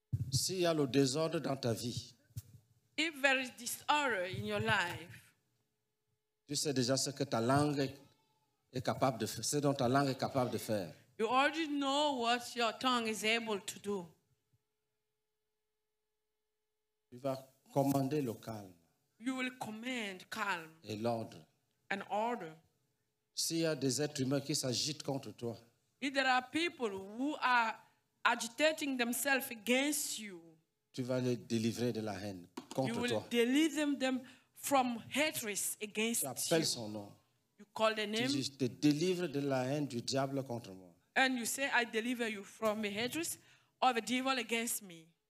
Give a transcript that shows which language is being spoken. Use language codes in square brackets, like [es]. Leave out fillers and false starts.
[fr] S'il y a le désordre dans ta vie, [en] if there is disorder in your life, [fr] tu sais déjà ce que ta langue est capable de faire, ce dont ta langue est capable de faire. [en] You already know what your tongue is able to do. [fr] Tu vas commander le calme. [en] You will command calm. [fr] Et l'ordre. [en] And order. [fr] S'il y a des êtres humains qui s'agitent contre toi, [en] if there are people who are agitating themselves against you, [fr] tu vas les délivrer de la haine contre toi. [en] You will [fr] toi. [en] Deliver them from hatred against you. [fr] Tu appelles son nom. [en] You call the name. [fr] Tu dis, te délivre de la haine du diable contre moi. [en] And you say, I deliver you from the hatred of the devil against me.